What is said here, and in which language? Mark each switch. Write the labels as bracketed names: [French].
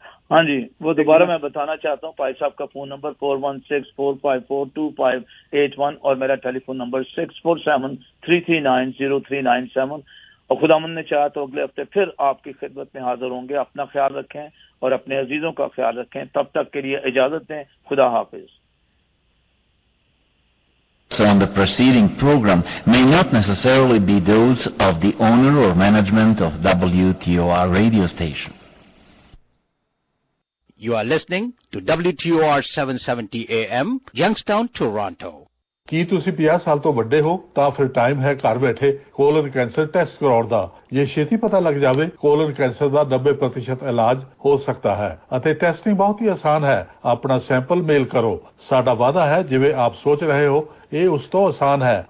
[Urdu] ہاں جی, وہ دوبارہ میں بتانا چاہتا ہوں, پائی صاحب کا فون نمبر 416-454-2581 اور میرا ٹیلی فون نمبر 647-339-0397. اور خداوند نے چاہا تو اگلے ہفتے پھر آپ کی خدمت میں حاضر ہوں گے. اپنا خیال رکھیں اور اپنے عزیزوں کا خیال رکھیں. تب تک کے لیے اجازت دیں, خدا حافظ. [English] On the preceding program may not necessarily be those of the owner or management of WTOR radio station. You are listening to WTOR 770 AM, Youngstown, Toronto. [Punjabi] ਕੀ ਤੁਸੀਂ 50 ਸਾਲ ਤੋਂ ਵੱਡੇ ਹੋ ਤਾਂ ਫਿਰ ਟਾਈਮ ਹੈ ਘਰ ਬੈਠੇ ਕੋਲਨ ਕੈਂਸਰ ਟੈਸਟ ਕਰਾਉਣ ਦਾ. ਜੇ ਛੇਤੀ ਪਤਾ ਲੱਗ ਜਾਵੇ ਕੋਲਨ ਕੈਂਸਰ ਦਾ 90% ਇਲਾਜ ਹੋ ਸਕਦਾ ਹੈ ਅਤੇ ਟੈਸਟਿੰਗ ਬਹੁਤ ਹੀ ਆਸਾਨ ਹੈ. ਆਪਣਾ ਸੈਂਪਲ ਮੇਲ ਕਰੋ. ਸਾਡਾ ਵਾਅਦਾ ਹੈ ਜਿਵੇਂ ਆਪ ਸੋਚ ਰਹੇ ਹੋ ਇਹ ਉਸ ਤੋਂ ਆਸਾਨ ਹੈ.